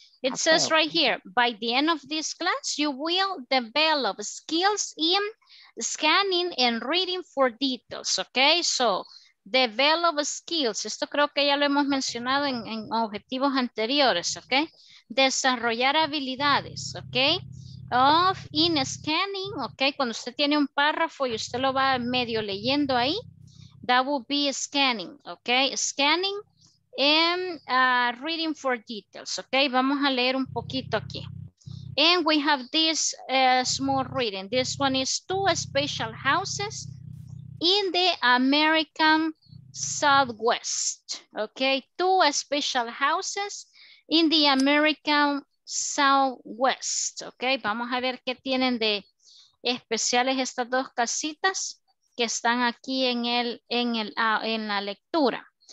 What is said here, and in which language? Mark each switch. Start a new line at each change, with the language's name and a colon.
English: It says right here, by the end of this class, you will develop skills in scanning and reading for details. Okay. So, develop skills.
Spanish: Esto creo que ya lo hemos mencionado en objetivos anteriores, ¿ok? Desarrollar habilidades,
English: ¿ok? Of in scanning, ¿ok?
Spanish: Cuando usted tiene un párrafo y usted lo va medio leyendo ahí,
English: that would be scanning,
Spanish: ¿ok?
English: Scanning and reading for details, ¿ok?
Spanish: Vamos a leer un poquito aquí.
English: And we have this small reading. This one is two special houses in the American Southwest, okay? Two special houses in the American Southwest, okay?
Spanish: Vamos a ver qué tienen de especiales estas dos casitas que están aquí en la lectura.